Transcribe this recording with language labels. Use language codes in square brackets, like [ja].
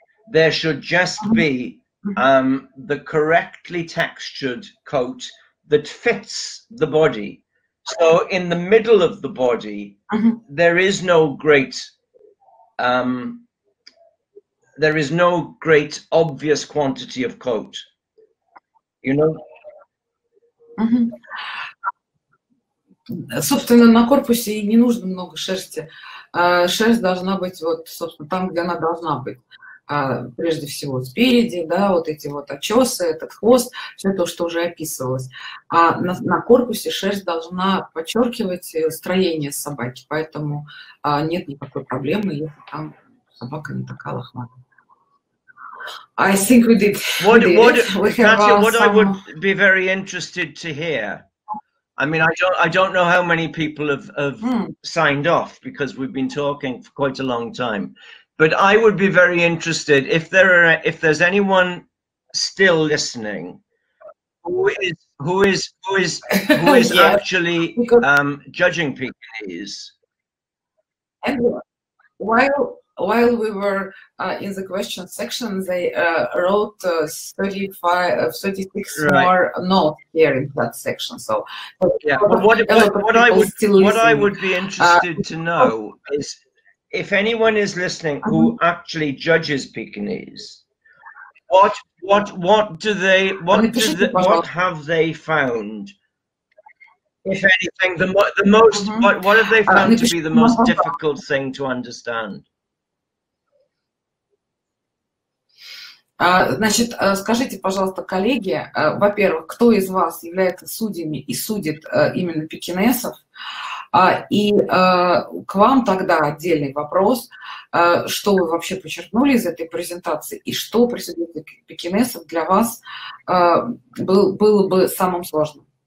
[en] There should just be the correctly textured coat that fits the body. So in the middle of the body, there is no great, there is no great obvious quantity of coat, you know? [ru] Собственно, на корпусе и не нужно много шерсти. Шерсть должна быть вот, собственно, там, где она должна быть. Прежде всего спереди, да, вот эти вот отчесы, этот хвост, все то, что уже описывалось. А на корпусе шерсть должна подчеркивать строение собаки, поэтому нет никакой проблемы, если там собака не такая лохматая. [en] I think we did. What I would be very interested to hear. I mean, I don't know how many people have signed off because we've been talking for quite a long time. But I would be very interested if there's anyone still listening who is yes. Actually judging Pekinese. While we were in the question section, they wrote 36 right. More notes here in that section. So what I would be interested to know is. If anyone is listening who actually judges Pekinese, what have they found? If anything, what have they found to be the most difficult thing to understand? [ru] Значит, скажите, пожалуйста, коллеги, во-первых, кто из вас является судьями и судит именно пекинесов? И к вам тогда отдельный вопрос, что вы вообще подчеркнули из этой презентации и что при судьбе пекинесов для вас было бы самым сложным?